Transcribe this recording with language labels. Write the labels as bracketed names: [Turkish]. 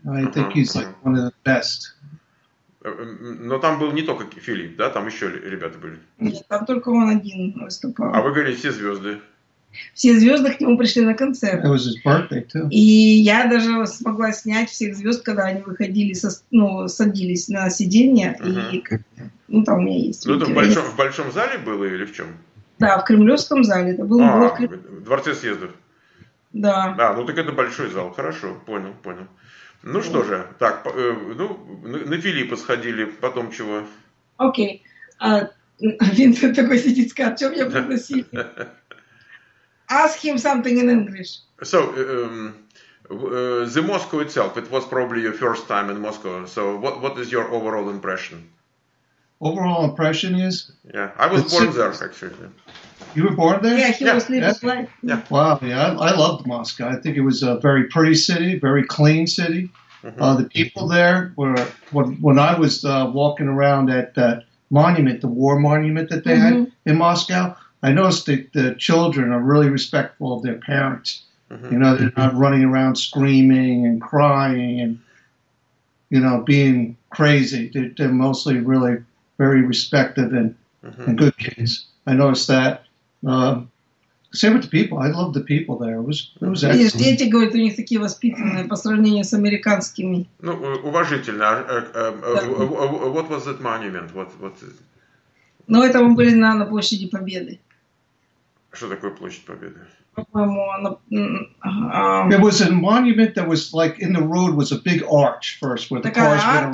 [English] I think he's like one of the best. [Russian] Но там был не только Филипп, да? Там еще ребята были. Нет, там только он один выступал. А вы говорите, все звезды. Все звезды к нему пришли на концерт. [English] It was his birthday too. [Russian] И я даже смогла снять всех звезд, когда они выходили, ну, садились на сиденье. И, ну, там у меня есть. Ну, это в большом зале было или в чем? Да, в Кремлевском зале. Это было в Дворце съездов. Да. Да, ну так это большой зал. Хорошо, понял. Ну что же, так, ну, на Филиппа сходили, потом чего? Окей. Винсент такой сидит, скажет, что меня пригласили? [English] Ask him something in English. So, the Moscow itself, it was probably your first time in Moscow, so what is your overall impression? Overall impression is? Yeah, I was born there, actually. You were born there? Yeah, he was living his life. Yeah. Wow, yeah, I loved Moscow. I think it was a very pretty city, very clean city. Mm-hmm. The people there were, when I was walking around at that monument, the war monument that they had in Moscow, I noticed that the children are really respectful of their parents. Mm-hmm. You know, they're not running around screaming and crying and, you know, being crazy. They're mostly really very respective and good kids. I noticed that. Same with the people. I love the people there. It was excellent. [Russian] Дети говорят, у них такие воспитанные по сравнению с американскими. Ну, уважительно. [English] What was that monument? What is... [Russian] Ну, это мы были на площади Победы. Что такое площадь Победы? По-моему, она... [English] It was a monument that was like in the road was a big arch first where the cars went around.